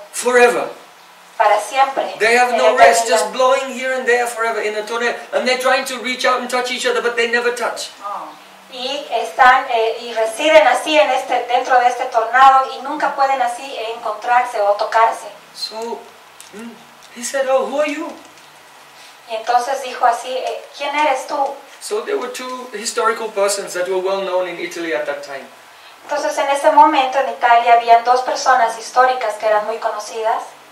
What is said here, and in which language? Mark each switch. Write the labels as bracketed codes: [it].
[en] Forever. [es] Para siempre. [en] They have no rest, just blowing here and there forever in a tornado. And they're trying to reach out and touch each other, but they never touch. [es] Y están y residen así en este, dentro de este tornado y nunca pueden así encontrarse o tocarse. [en] So, he said, oh, who are you? [es] Y entonces dijo así, ¿quién eres tú? [en] So there were two historical persons that were well known in Italy at that time. [es] Entonces en ese momento en Italia habían dos personas históricas que eran muy conocidas.